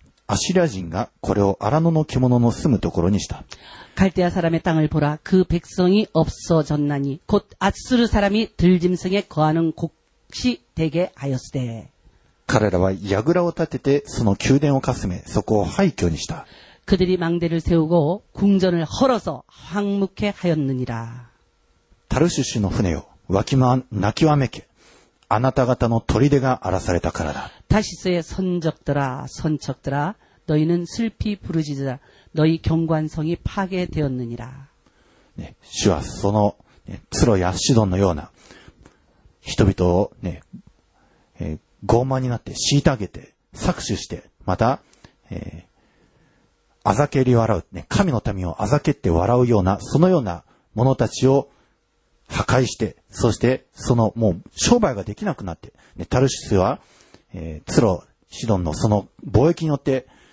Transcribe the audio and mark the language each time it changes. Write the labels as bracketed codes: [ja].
[ja] アシリア人がこれを荒野の獣の住むところにした。 [ko] カルデア사람의땅을보라그백성이없어졌나니곧아수르사람이들짐승에거하는곳이되게하였으되 [ja] 彼らは矢倉を建ててその宮殿をかすめそこを廃墟にした。 [ko] 그들이망대를세우고궁전을헐어서황묵해하였느니라 [ja] タルシュの船よ、泣きわめけ。あなた方の砦が荒らされたからだ。 [ko] タシス의선적들아、선척들아、너희는슬피부르짖으라、너희경관성이파괴되었느니라。 [ja] ね、主はその、ね、ツロやシドンのような、人々をね、傲慢になって、虐げて、搾取して、また、あざけり笑う、ね、神の民をあざけって笑うような、そのような者たちを破壊して、そして、そのもう商売ができなくなって、ね、タルシスは、ツロ、シドンのその貿易によって、